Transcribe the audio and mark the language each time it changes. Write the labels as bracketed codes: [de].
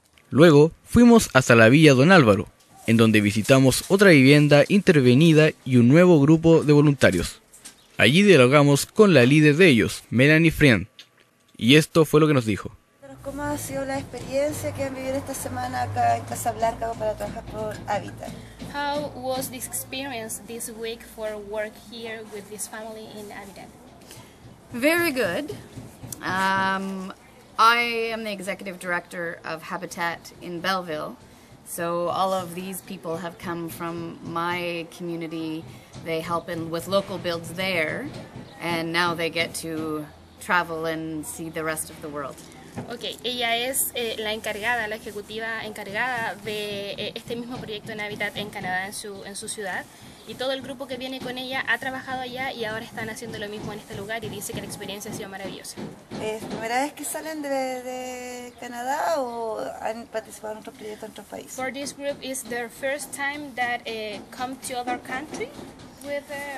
[es] Luego fuimos hasta la Villa Don Álvaro, en donde visitamos otra vivienda intervenida y un nuevo grupo de voluntarios. Allí dialogamos con la líder de ellos, Melanie Friend, y esto fue lo que nos dijo. ¿Cómo ha sido la experiencia que han vivido esta semana acá en Casa Blanca para trabajar por Habitat? [en] How was this experience this week for work here with this family in Habitat? Very good. I am the executive director of Habitat in Belleville. So all of these people have come from my community. They help in with local builds there, and now they get to travel and see the rest of the world. [es] Okay, ella es la encargada, la ejecutiva encargada de este mismo proyecto en Habitat en Canadá, en su ciudad. Y todo el grupo que viene con ella ha trabajado allá y ahora están haciendo lo mismo en este lugar y dice que la experiencia ha sido maravillosa. ¿Es la primera vez que salen de Canadá o han participado en otro proyecto en otro país? [en] For this group is their first time that come to other country with